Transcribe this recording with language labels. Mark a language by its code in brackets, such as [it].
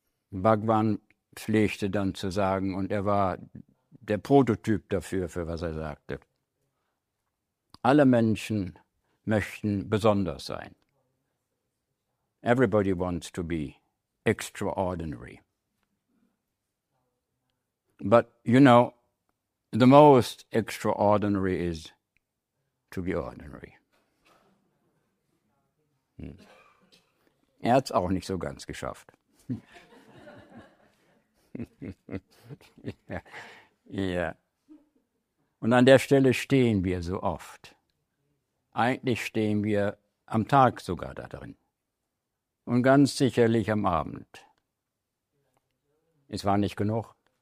[de] Bhagwan pflegte dann zu sagen, und er war der Prototyp dafür, für was er sagte. Alle Menschen möchten besonders sein. [en] Everybody wants to be extraordinary. But you know, the most extraordinary is to be ordinary. [de] Er hat es auch nicht so ganz geschafft. Ja. Und an der Stelle stehen wir so oft. Eigentlich stehen wir am Tag sogar da drin. Und ganz sicherlich am Abend. Es war nicht genug.